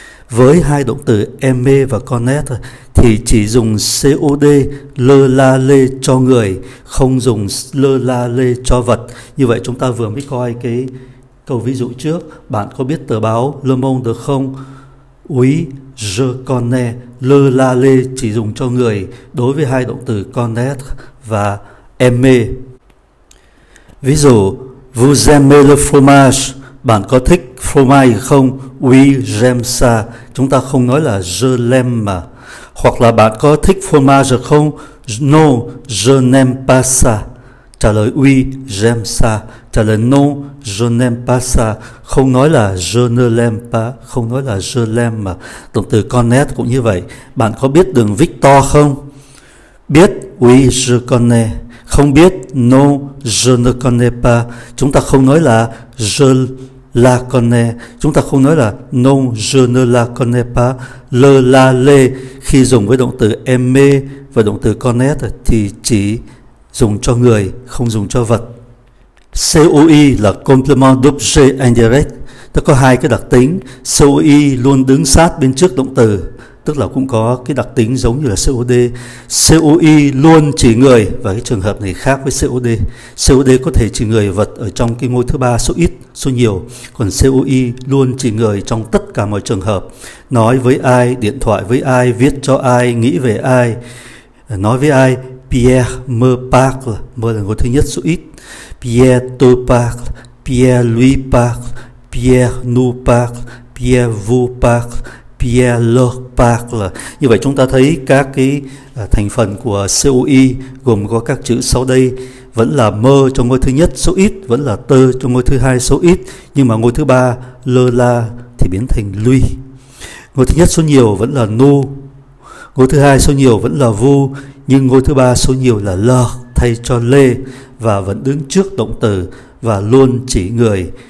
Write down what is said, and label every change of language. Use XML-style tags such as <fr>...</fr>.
<vi>Với hai động từ aimer và connaître thì chỉ dùng COD le la lê cho người, không dùng le la lê cho vật. Như vậy chúng ta vừa mới coi cái câu ví dụ trước, bạn có biết tờ báo Le Monde được không?</vi> <fr>Oui, je connais.</fr> <vi>Le la lê chỉ dùng cho người đối với hai động từ connaître và aimer. Ví dụ,</vi> <fr>vous aimez le fromage.</fr> <vi>Bạn có thích fromage không?</vi> <fr>Oui, j'aime ça.</fr> <vi>Chúng ta không nói là</vi> <fr>je l'aime</fr> <vi>mà. Hoặc là bạn có thích fromage không?</vi> <fr>Non, je n'aime pas ça.</fr> <vi>Trả lời</vi> <fr>oui, j'aime ça.</fr> <vi>Trả lời</vi> <fr>non, je n'aime pas ça.</fr> <vi>Không nói là</vi> <fr>je ne l'aime pas.</fr> <vi>Không nói là</vi> <fr>je l'aime</fr> <vi>mà. Động từ connaître cũng như vậy. Bạn có biết đường Victor không? Biết,</vi> <fr>oui, je connais.</fr> <vi>Không biết,</vi> <fr>non, je ne connais pas.</fr> <vi>Chúng ta không nói là</vi> <fr>je la connais.</fr> <vi>Chúng ta không nói là</vi> <fr>non, je ne la connais pas.</fr> <vi>Le, la, le. Khi dùng với động từ aimer và động từ connaître thì chỉ dùng cho người, không dùng cho vật. COI là complément d'objet indirect. Nó có hai cái đặc tính. COI luôn đứng sát bên trước động từ, tức là cũng có cái đặc tính giống như là COD. COI luôn chỉ người, và cái trường hợp này khác với COD. COD có thể chỉ người vật ở trong cái ngôi thứ ba số ít, số nhiều. Còn COI luôn chỉ người trong tất cả mọi trường hợp. Nói với ai, điện thoại với ai, viết cho ai, nghĩ về ai. Nói với ai,</vi> <fr>Pierre me parle,</fr> <vi>mơ là ngôi thứ nhất số ít.</vi> <fr>Pierre te parle, Pierre lui parle, Pierre nous parle, Pierre vous parle, Pierre leur parle.</fr> <vi>Như vậy chúng ta thấy các cái thành phần của COI gồm có các chữ sau đây, vẫn là mơ trong ngôi thứ nhất số ít, vẫn là te trong ngôi thứ hai số ít, nhưng mà ngôi thứ ba, le la, thì biến thành lui. Ngôi thứ nhất số nhiều vẫn là nu, ngôi thứ hai số nhiều vẫn là vu, nhưng ngôi thứ ba số nhiều là lơ thay cho lê, và vẫn đứng trước động từ và luôn chỉ người.</vi>